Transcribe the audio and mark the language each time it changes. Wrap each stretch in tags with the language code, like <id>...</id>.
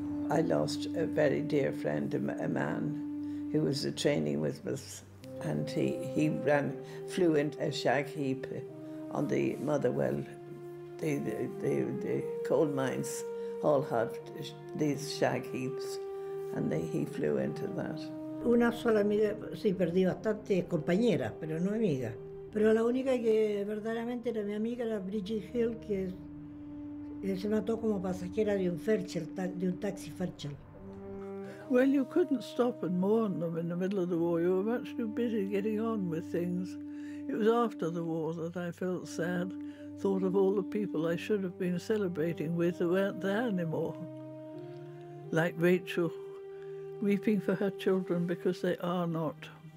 <en>I lost a very dear friend, a man who was training with us, and he flew into a shag heap on the Motherwell. The coal mines all have these shag heaps, and he flew into that.</en> <es>Una sola amiga, sí, perdí bastantes compañeras, pero no amiga. Pero la única que verdaderamente era mi amiga era Bridget Hill, que se mató como pasajera de un Ferchel, de un taxi Ferchel.</es> <en>Well, you couldn't stop and mourn them in the middle of the war. You were much too busy getting on with things. It was after the war that I felt sad, thought of all the people I should have been celebrating with who weren't there anymore. Like Rachel, weeping for her children because they are not.</en>